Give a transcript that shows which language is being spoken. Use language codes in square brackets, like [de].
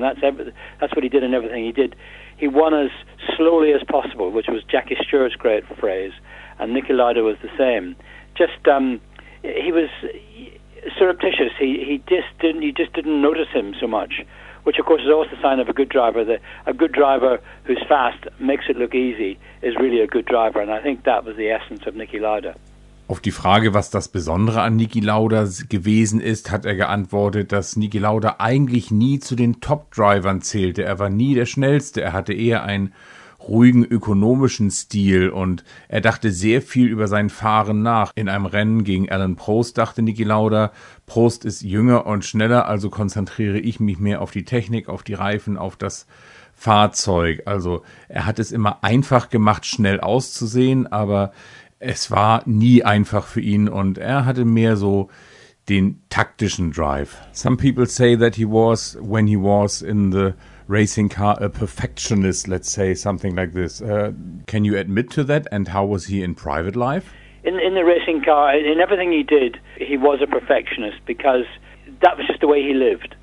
[en] And that's what he did in everything he did. He won as slowly as possible, which was Jackie Stewart's great phrase, and Niki Lauda was the same. Just he was surreptitious. He just didn't notice him so much, which of course is always the sign of a good driver. That a good driver who's fast makes it look easy is really a good driver, and I think that was the essence of Niki Lauda. [de] Auf die Frage, was das Besondere an Niki Lauda gewesen ist, hat er geantwortet, dass Niki Lauda eigentlich nie zu den Top-Drivern zählte. Er war nie der Schnellste. Er hatte eher einen ruhigen ökonomischen Stil und er dachte sehr viel über sein Fahren nach. In einem Rennen gegen Alan Prost dachte Niki Lauda, Prost ist jünger und schneller, also konzentriere ich mich mehr auf die Technik, auf die Reifen, auf das Fahrzeug. Also er hat es immer einfach gemacht, schnell auszusehen, aber es war nie einfach für ihn und er hatte mehr so den taktischen Drive. [en] Some people say that he was, when he was in the racing car, a perfectionist, let's say something like this. Can you admit to that, and how was he in private life? In the racing car, in everything he did, he was a perfectionist because that was just the way he lived.